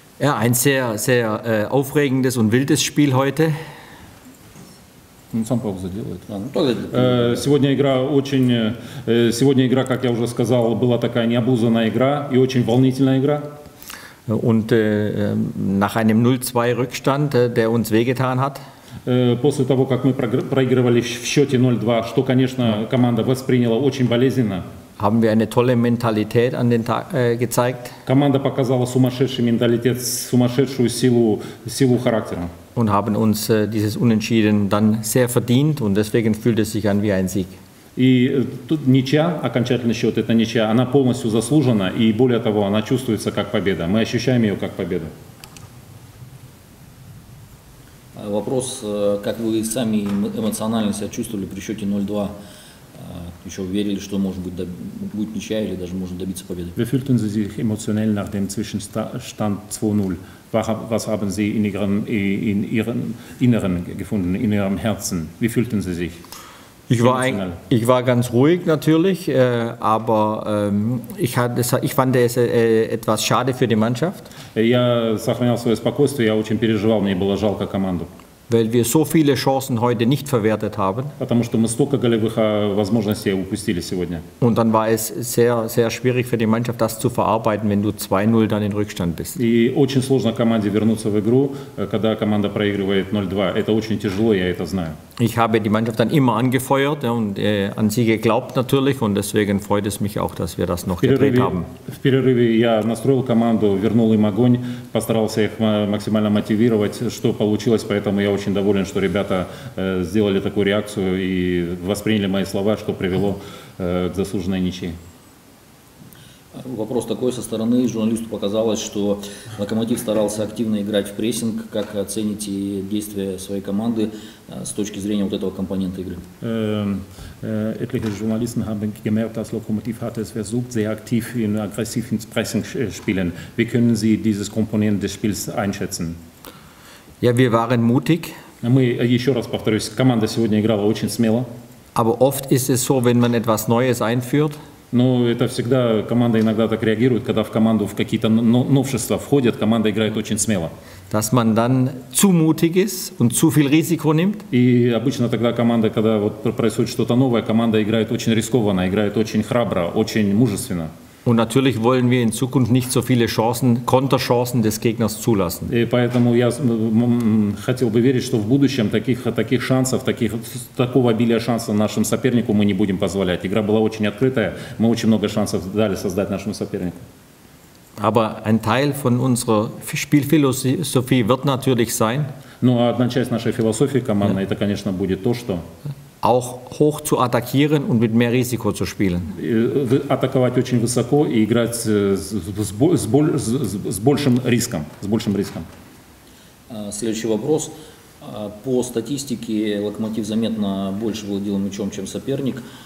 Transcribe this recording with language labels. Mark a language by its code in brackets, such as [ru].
[de] Ja, ein sehr, sehr aufregendes und wildes Spiel heute. [ru] Сам паузу делает. Сегодня игра, как я уже сказал, была такая необузданная игра и очень волнительная игра. [de] Und nach einem 0-2 Rückstand, der uns wehgetan hat. [ru] После того, как мы проигрывали в счете 0-2, что, конечно, команда восприняла очень болезненно. [de] Haben wir eine tolle Mentalität an den Tag gezeigt. [ru] Команда показала сумасшедший менталитет, сумасшедшую силу характера. [de] Und haben uns dieses Unentschieden dann sehr verdient und deswegen fühlt es sich an wie ein Sieg. [ru] И тут ничья, окончательный счет, это ничья, она полностью заслужена и более того, она чувствуется как победа. Мы ощущаем ее как победу. Вопрос, как вы сами эмоционально себя чувствовали при счете 0-2? Еще верили, что может быть будет ничья или даже можно добиться победы? [de] Wie fühlten Sie sich emotionell nach dem Zwischenstand 2-0? Was haben Sie in Ihrem Inneren gefunden, in Ihrem Herzen? Wie fühlten Sie sich? Ich war ganz ruhig natürlich, aber ich fand es etwas schade für die Mannschaft. [ru] Я сохранял свое спокойствие, я очень переживал, мне было жалко команду. [de] Weil wir so viele Chancen heute nicht verwertet haben. [ru] Потому что мы столько голевых возможностей упустили сегодня. [de] Und dann war es sehr, sehr schwierig für die Mannschaft, das zu verarbeiten, wenn du 2-0 dann in Rückstand bist. [ru] И очень сложно команде вернуться в игру, когда команда проигрывает 0-2. Это очень тяжело, я это знаю. [de] Ich habe die Mannschaft dann immer angefeuert und an sie geglaubt natürlich und deswegen freut es mich auch, dass wir das noch gedreht haben. [ru] В перерыве я настроил команду, вернул им огонь, постарался их максимально мотивировать, что получилось, поэтому я очень доволен, что ребята сделали такую реакцию и восприняли мои слова, что привело к заслуженной ничьей. Вопрос такой, со стороны журналисту показалось, что Локомотив старался активно играть в прессинг. Как оцените действия своей команды с точки зрения вот этого компонента игры? [de] Etliche Journalisten haben gemerkt, dass Lokomotiv hat es versucht, sehr aktiv in aggressiven Pressing spielen. Wie können Sie dieses Komponent des Spiels einschätzen? Ja, wir waren mutig. [ru] Еще раз повторюсь, команда сегодня играла очень смело. [de] Aber oft ist es so, wenn man etwas Neues einführt. [ru] Ну, это всегда, команда иногда так реагирует, когда в команду в какие-то новшества входят, команда играет очень смело. [de] Dass man dann zu mutig ist und zu viel Risiko nimmt. [ru] И обычно тогда команда, когда вот происходит что-то новое, команда играет очень рискованно, играет очень храбро, очень мужественно. [de] Und natürlich wollen wir in Zukunft nicht so viele Chancen, Konterchancen des Gegners zulassen. [ru] И поэтому я хотел бы верить, что в будущем таких шансов, такого обилия шансов нашему сопернику мы не будем позволять. Игра была очень открытая, мы очень много шансов дали создать нашему сопернику. [de] Aber ein Teil von unserer Spielphilosophie wird natürlich sein. [ru] Ну, одна часть нашей философии командной, это, конечно, будет то, что [de] auch hoch zu attackieren und mit mehr Risiko zu spielen. [ru] Attackovat очень высоко и играть с большим риском, с большим риском. Следующий вопрос. По статистике Локомотив заметно больше владел мячом, чем соперник.